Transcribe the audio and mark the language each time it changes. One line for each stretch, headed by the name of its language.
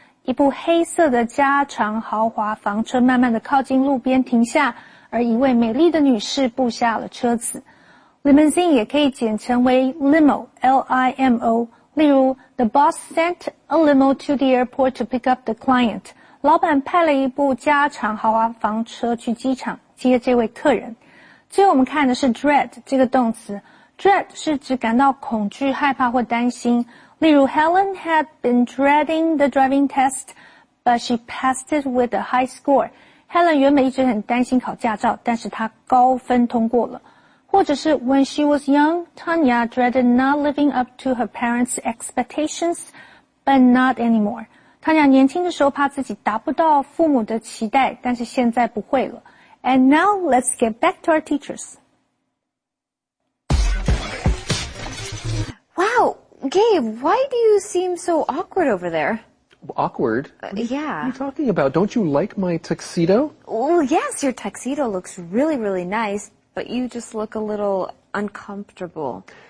Chinese: 一部黑色的加长豪华房车慢慢地靠近路边停下，而一位美丽的女士步下了车子。
English: Limousine 也可以简称为 limo, L-I-M-O.
Chinese: 例如
English: ,the boss sent a limo to the airport to pick up the client.
Chinese: 老板派了一部加长豪华房车去机场接这位客人。最后我们看的是 dread, 这个动词。dread 是指感到恐惧、害怕或担心。例如
English: ,Helen had been dreading the driving test, but she passed it with a high score.
Chinese: Helen 原本一直很担心考驾照，但是她高分通过了。或者是
English: When she was young, Tanya dreaded not living up to her parents' expectations, but not anymore.
Chinese: Tanya 年轻的时候怕自己达不到父母的期待，但是现在不会了。
English: And now, let's get back to our teachers. Wow, Gabe, why do you seem so awkward over there? awkward. Yeah. What are you talking about? Don't you like my tuxedo? Well, yes, your tuxedo looks really, really nice, but you just look a little uncomfortable.